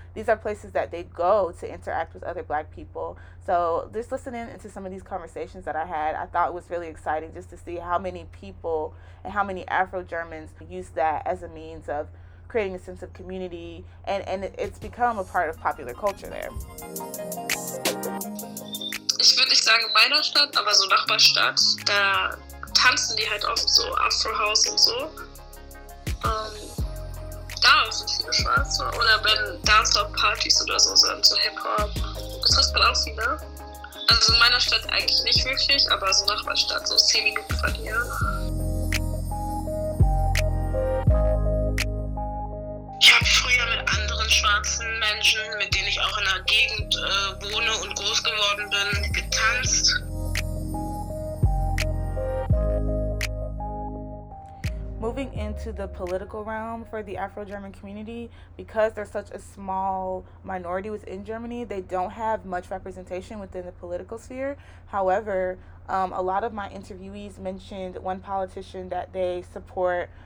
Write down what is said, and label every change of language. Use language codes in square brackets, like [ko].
[en] These are places that they go to interact with other Black people. So just listening into some of these conversations that I had, I thought it was really exciting just to see how many people and how many Afro-Germans use that as a means of creating a sense of community. And it's become a part of popular culture there. [de] Ich würde nicht sagen meiner Stadt, aber so Nachbarstadt, da tanzen die halt oft so Afro House und so. Da sind viele Schwarze. Oder wenn Dancehall-Partys oder so sind, so Hip-Hop, da trifft man auch viele. Also in meiner Stadt eigentlich nicht wirklich, aber so Nachbarstadt, so 10 Minuten von hier. Ich habe früher mit anderen schwarzen Menschen, mit denen ich auch in der Gegend wohne und groß geworden bin, getanzt. [en] Moving into the political realm for the Afro-German community, because they're such a small minority within Germany, they don't have much representation within the political sphere. However, a lot of my interviewees mentioned one politician that they support.